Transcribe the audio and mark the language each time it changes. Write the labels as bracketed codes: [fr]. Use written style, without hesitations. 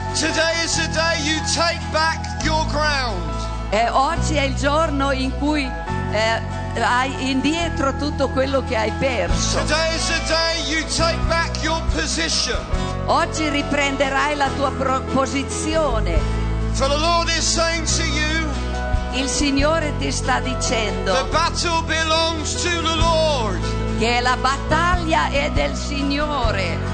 [en] Today is the day you take back your ground. [it] E oggi è il giorno in cui hai indietro tutto quello che hai perso. [en] Today is the day you take back your position. [it] Oggi riprenderai la tua posizione. [en] For the Lord is saying to you, [it] il Signore ti sta dicendo, [en] the battle belongs to the Lord. [it] Che la battaglia è del Signore.